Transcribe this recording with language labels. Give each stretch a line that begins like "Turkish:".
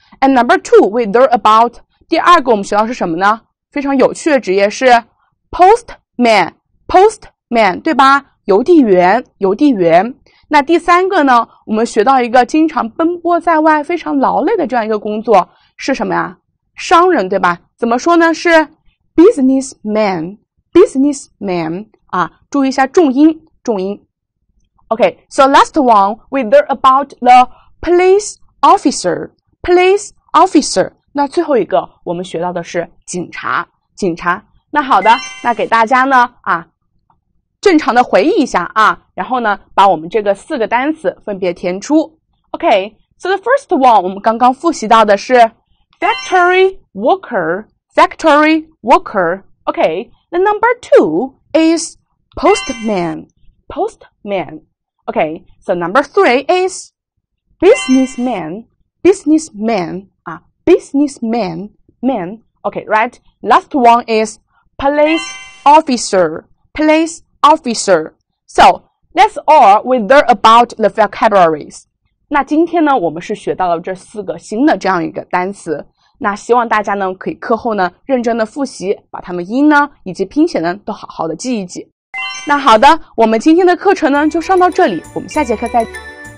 English: And number two, we learn about
Chinese: 第二个我们学到是什么呢？非常有趣的职业是 postman, postman, 对吧？邮递员，邮递员。那第三个呢，我们学到一个经常奔波在外非常劳累的这样一个工作是什么呀？商人，对吧？怎么说呢？是 businessman, businessman, 啊，注意一下重音，重音。
English: Okay, so last one, we learn about the police officer, police officer.
Chinese: 那最后一个我们学到的是警察，警察。那好的，那给大家呢啊，正常的回忆一下啊，然后呢把我们这个四个单词分别填出。
English: Okay, so the first one,
Chinese: 我们刚刚复习到的是
English: factory worker, factory worker. Okay, the number two is postman, postman. Okay, so number three is businessman, businessman, businessman, man. Okay, right? Last one is police officer, police officer. So, that's all we learn about the vocabularies.
Chinese: 那今天呢，我们是学到了这四个新的这样一个单词。那希望大家呢，可以课后呢，认真的复习，把它们音呢，以及拼写呢，都好好的记一记。那好的，我们今天的课程呢就上到这里，我们下节课再见。